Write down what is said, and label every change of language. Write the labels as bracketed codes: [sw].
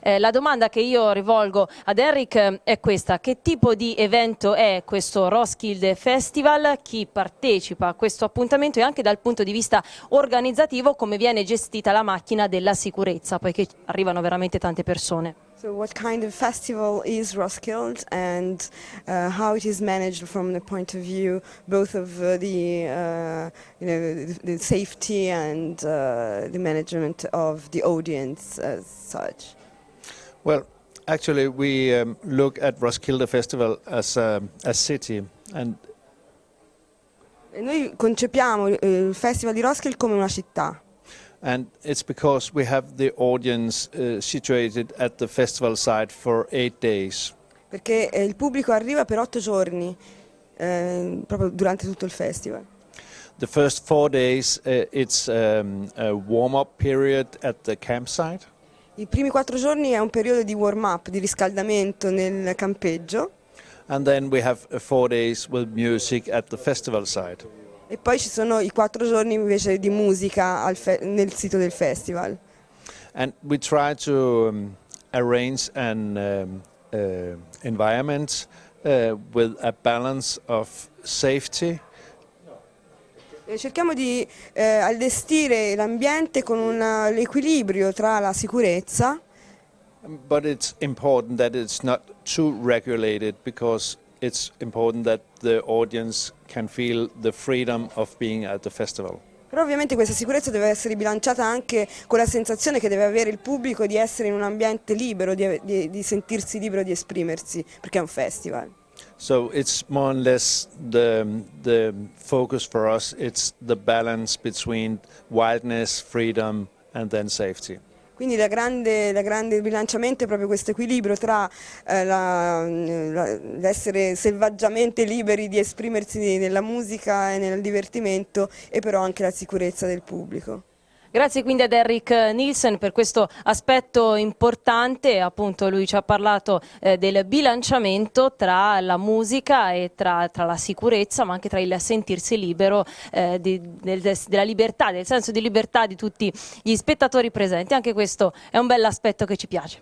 [it] La domanda che io rivolgo ad Henrik è questa: che tipo di evento è questo Roskilde Festival? Chi partecipa a questo appuntamento e anche dal punto di vista organizzativo come viene gestita la macchina della sicurezza, poiché arrivano veramente tante persone. [en] So what kind of festival is Roskilde and how it is managed from the point of view both of the safety and the management of the audience as such? Well, actually we look at Roskilde Festival as a city and [it] noi concepiamo il Festival di Roskilde come una città. [en] And it's because we have the audience situated at the festival site for 8 days. [it] Perché il pubblico arriva per 8 giorni, proprio durante tutto il festival. [en] The first 4 days it's a warm-up period at the campsite. [it] I primi 4 giorni è un periodo di warm-up, di riscaldamento nel campeggio. [en] And then we have 4 days with music at the festival site. [it] E poi ci sono i 4 giorni invece di musica nel sito del festival. [en] And we try to arrange an environment with a balance of safety. [it] E cerchiamo di allestire l'ambiente con un equilibrio tra la sicurezza. [en] But it's important that it's not too regulated because it's important that the audience can feel the freedom of being at the festival. [it] Però ovviamente questa sicurezza deve essere bilanciata anche con la sensazione che deve avere il pubblico di essere in un ambiente libero, di sentirsi libero di esprimersi, perché è un festival. [en] So it's more or less the focus for us, it's the balance between wildness, freedom and then safety. [it] Quindi la grande bilanciamento è proprio questo equilibrio tra l'essere selvaggiamente liberi di esprimersi nella musica e nel divertimento e però anche la sicurezza del pubblico. Grazie quindi ad Henrik Nielsen per questo aspetto importante, appunto lui ci ha parlato del bilanciamento tra la musica e tra la sicurezza, ma anche tra il sentirsi libero, della libertà, del senso di libertà di tutti gli spettatori presenti, anche questo è un bell'aspetto che ci piace.